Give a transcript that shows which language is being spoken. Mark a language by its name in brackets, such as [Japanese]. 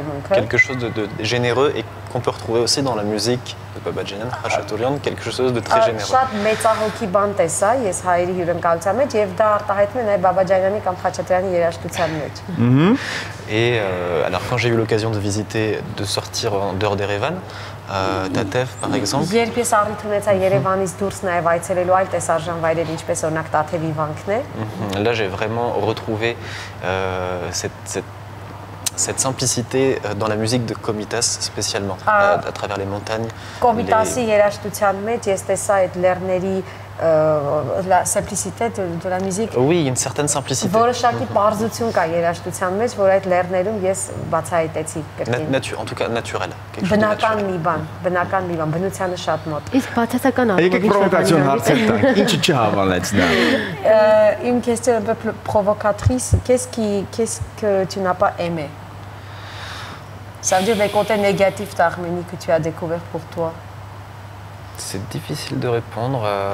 [French] Quelque chose de généreux et qu'on peut retrouver aussi dans la musique de Babadjanian, Khachaturian, quelque chose de très généreux. [Armenian] Շատ մեծահոգի բան տեսա ես հայերի հյուրընկալության մեջ եւ դա արտահայտվում է նաեւ Babadjanian-ի կամ Khachaturian-ի երաժշտության մեջ. [French] Et alors quand j'ai eu l'occasion de visiter, de sortir en dehors d'Erevan, Tatev par exemple. [Armenian] Երբ ես առիթ ունեցա Երևանից դուրս նաեւ այցելելու այլ տեսարժան վայրեր, ինչպես օրինակ Tatev-ի վանքն է. [French] Là j'ai vraiment retrouvé cette simplicité dans la musique de Komitas spécialement à travers les montagnes. [Armenian] Komitas երաժշտության մեջ ես տեսա այդ լեռների [French] la simplicité de la musique. Oui, une certaine simplicité. [Armenian] Որոշակի պարզություն կա երաժշտության մեջ, որ այդ լեռներում ես բացահայտեցի կրկին. [French] En tout cas naturel. [Armenian] Բնական մի բան, բնական մի բան, բնությանը շատ մոտ։ Իսկ բացասական արդյունք։ Եկեք պրովոկացիոն հարցեր տանք։ Ինչը չհավանեց նա։ [French] Une question un peu provocatrice. Qu'est-ce que tu n'as pas aimé? Ça veut dire les côtés négatifs d'Arménie que tu as découvert pour toi. C'est difficile de répondre.